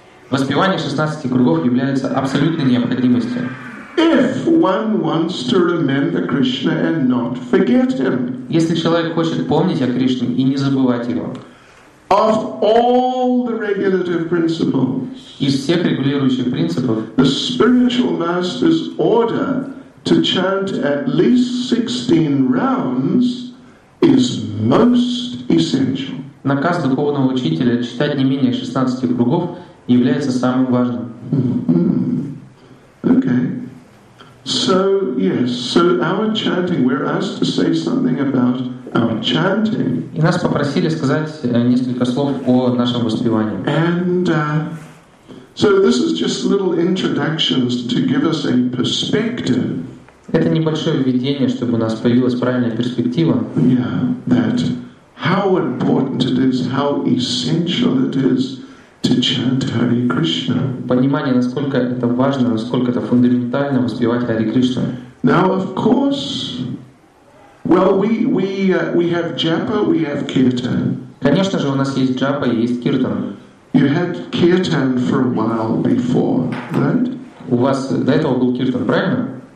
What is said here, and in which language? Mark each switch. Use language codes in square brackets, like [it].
[ru] Воспевание 16 кругов является абсолютной необходимостью. [en] If one wants to remember Krishna and not forget him. [ru] Если человек хочет помнить о Кришне и не забывать его. [en] Of all the regulative principles. [ru] Из всех регулирующих принципов. [en] The spiritual master's order to chant at least 16 rounds is most essential. [ru] Наказ духовного учителя читать не менее 16 кругов является самым важным. [en] Okay. So, yes. So our chanting, we're asked to say something about our chanting. [ru] И нас попросили сказать несколько слов о нашем воспевании. [en] And so this is just little introductions to give us a perspective. [ru] Это небольшое введение, чтобы у нас появилась правильная перспектива. [en] That how important it is, how essential it is to chant Hare Krishna. [ru] Понимание, насколько это важно, насколько это фундаментально воспевать Хари Кришну. [en] Now, of course, well, we have Japa, we have Kirtan. [ru] Конечно же, у нас есть Джапа и есть Киртан. [en] You had Kirtan for a while before, right? [ru] У вас до этого был Киртан, правильно?